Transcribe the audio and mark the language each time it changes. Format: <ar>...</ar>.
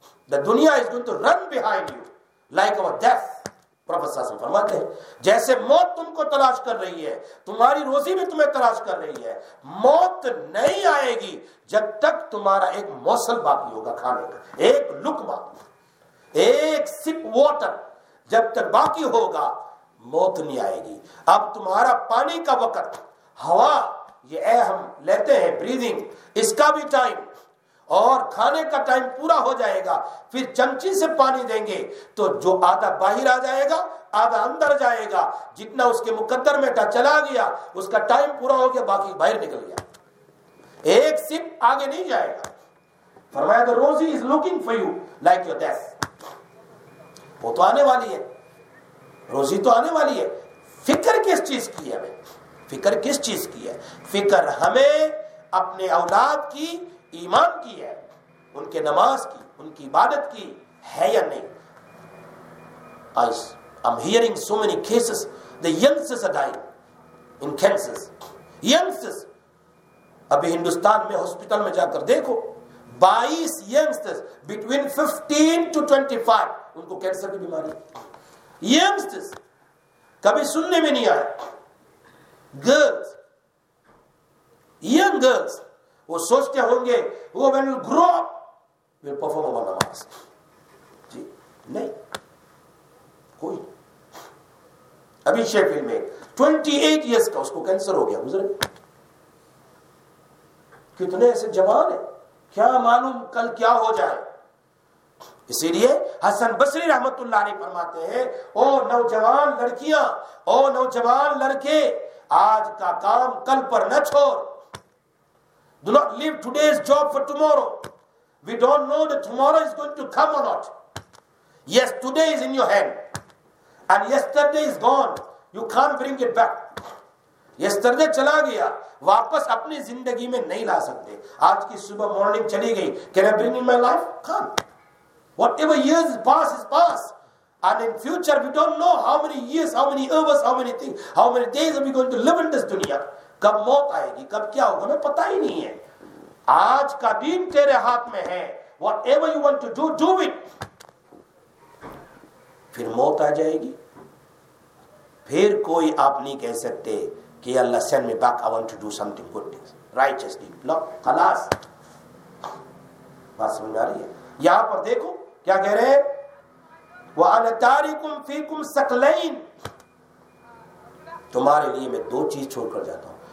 <en>The دنیا is going to run behind you like our death.</en> <ur>Professor صاحب فرماتے ہیں جیسے موت تم کو تلاش کر رہی ہے، تمہاری روزی بھی تمہیں تلاش کر رہی ہے. موت نہیں آئے گی جب تک تمہارا ایک موصل باقی ہوگا کھانے کا، ایک لقمہ، ایک سپ واٹر جب تک باقی ہوگا، موت نہیں آئے گی. اب تمہارا پانی کا وقت، ہوا، یہ اے ہم لیتے ہیں بریدنگ، اس کا بھی ٹائم اور کھانے کا ٹائم پورا ہو جائے گا. پھر چمچی سے پانی دیں گے تو جو آدھا باہر آ جائے گا، آدھا اندر جائے گا، جتنا اس کے مقدر میں چلا گیا اس کا ٹائم پورا ہو گیا، باقی باہر نکل گیا. ایک سپ آگے نہیں جائے گا. فرمایا</ur> <en>the rosy is looking for you like your death.</en> <ur>وہ تو آنے والی ہے, روزی تو آنے والی ہے, فکر کس چیز کی ہے ہمیں؟ فکر کس چیز کی ہے؟ فکر ہمیں اپنے اولاد کی, ایمان کی ہے, ان کے نماز کی, ان کی عبادت کی ہے یا نہیں.</ur> <en>I'm hearing so many cases, the youngsters are dying in cancers.</en> <ur>Youngsters, ابھی ہندوستان میں ہاسپٹل میں جا کر دیکھو,</ur> <en>22 youngsters between 15 to 25</en> <ur>ان کو کینسر کی بیماری. Youngsters, کبھی سننے میں نہیں آیا.</ur> <en>Girls, young girls,</en> <ur>وہ سوچتے ہوں گے وہ</ur> <en>when you grow up will perform our namaz.</en> <ur>جی نہیں, کوئی ابھی شیفیلڈ میں 28 years کا, اس کو کینسر ہو گیا. گزرے کتنے ایسے جوان ہیں, کیا معلوم کل کیا ہو جائے. اسی لیے حسن بصری رحمت اللہ علیہ فرماتے ہیں, او نوجوان لڑکیاں, او نوجوان لڑکے, آج کا کام کل پر نہ چھوڑ.</ur> <en>Do not leave today's job for tomorrow. We don't know that tomorrow is going to come or not. Yes, today is in your hand. And yesterday is gone. You can't bring it back.</en> <ur>Yesterday چلا گیا, واپس اپنی زندگی میں نہیں لا سکتے. آج کی صبح مارننگ چلی گئی,</ur> <en>can I bring in my life? Can't. Whatever years pass is past. And in future, we don't know how many years, how many hours, how many things, how many days are we going to live in this dunya.</en> <ur>کب موت آئے گی, کب کیا ہوگا, ہمیں پتہ ہی نہیں ہے. آج کا دن تیرے ہاتھ میں ہے.</ur> <en>Whatever you want to do, do it.</en> <ur>پھر موت آ جائے گی, پھر کوئی آپ نہیں کہہ سکتے کہ اللہ</ur> <en>send me back, I want to do something good things, righteously. No,</en> <ur>خلاص. بات سمجھ آ رہی ہے؟ یہاں پر دیکھو کیا کہہ رہے ہیں,</ur> <ar>وَأَنَا تَارِكُمْ فِيكُمْ سَقْلَيْن,</ar> <ur>تمہارے لیے میں دو چیز چھوڑ کر جاتا ہوں.</ur>